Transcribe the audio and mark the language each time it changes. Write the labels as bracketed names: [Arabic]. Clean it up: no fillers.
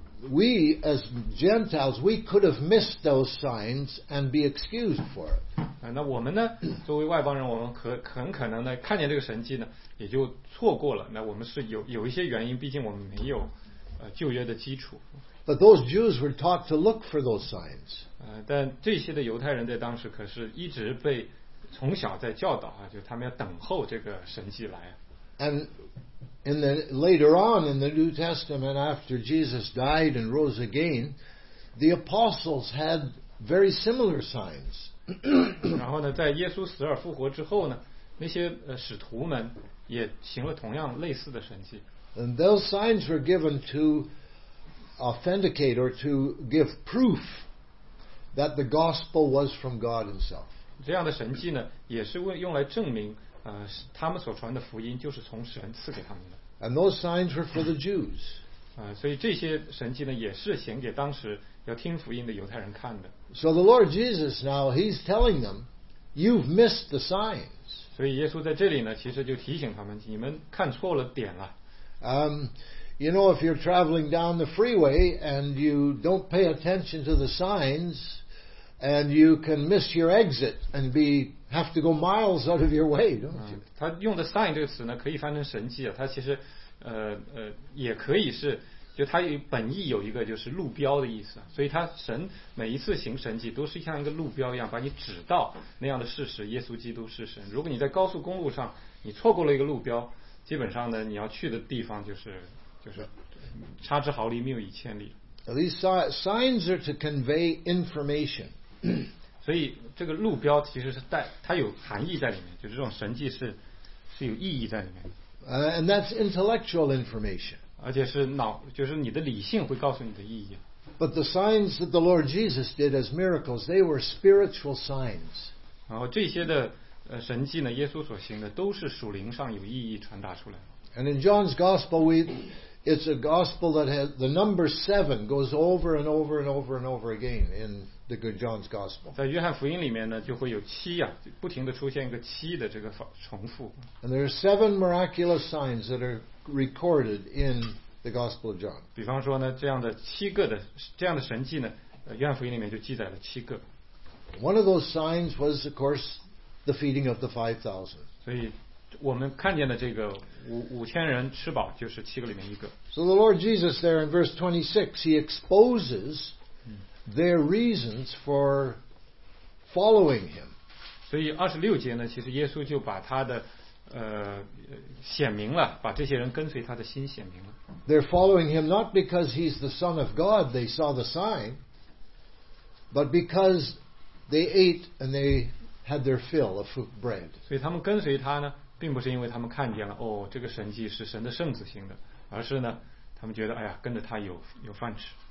[English] we as Gentiles, we could have missed those signs and be excused for it. [Chinese] 那我们呢，作为外邦人，我们很可能呢看见这个神迹呢也就错过了。那我们是有一些原因，毕竟我们没有旧约的基础。 [English] But those Jews were taught to look for those signs. [Chinese] 但这些的犹太人在当时可是一直被从小在教导啊，就他们要等候这个神迹来。 [English] And in the later on in the New Testament, after Jesus died and rose again, the apostles had very similar signs. [Chinese] 然后呢，在耶稣死而复活之后呢，那些使徒们也行了同样类似的神迹。 [English] And those signs were given to authenticate or to give proof that the gospel was from God Himself. [Chinese] 这样的神迹呢，也是用来证明他们所传的福音就是从神赐给他们的。 [English] And those signs were for the Jews. [Chinese] 所以这些神迹呢，也是显给当时要听福音的犹太人看的。 [English] So the Lord Jesus now He's telling them, "You've missed the signs." [Chinese] 所以耶稣在这里呢，其实就提醒他们，你们看错了点了。 [English] You know, if you're traveling down the freeway and you don't pay attention to the signs, and you can miss your exit and have to go miles out of your way, don't you? [Chinese] 他用的 sign 这个词呢，可以翻成神迹啊。它其实，也可以是，就它本意有一个就是路标的意思。所以他神每一次行神迹，都是像一个路标一样，把你指到那样的事实：耶稣基督是神。如果你在高速公路上，你错过了一个路标。基本上呢，你要去的地方就是差之毫厘，谬以千里。 [English] These signs are to convey information. [Chinese] 所以这个路标其实是它有含义在里面，就是这种神迹是有意义在里面。 [English] And that's intellectual information. [Chinese] 而且是脑，就是你的理性会告诉你的意义。 [English] But the signs that the Lord Jesus did as miracles, they were spiritual signs. [Chinese] 然后这些的神迹呢，耶稣所行的都是属灵上有意义传达出来。 [English] And in John's gospel, it's a gospel that has the number seven goes over and over and over and over again in the good John's gospel. [Chinese] 在约翰福音里面呢，就会有七啊，不停的出现一个七的这个重复。 [English] And there are seven miraculous signs that are recorded in the gospel of John. [Chinese] 比方说呢，这样的七个的这样的神迹呢，约翰福音里面就记载了七个。 [English] One of those signs was, of course, the feeding of the 5,000. [Chinese] 所以我们看见的这个五千人吃饱就是七个里面一个。 [English] So the Lord Jesus there in verse 26, he exposes their reasons for following him. [Chinese] 所以二十六节呢，其实耶稣就把他的显明了，把这些人跟随他的心显明了。 [English] They're following him not because he's the Son of God, they saw the sign, but because they ate and they had their fill of bread. [Chinese] 所以他们跟随他呢，并不是因为他们看见了哦，这个神迹是神的圣子行的，而是呢，他们觉得哎呀，跟着他有饭吃。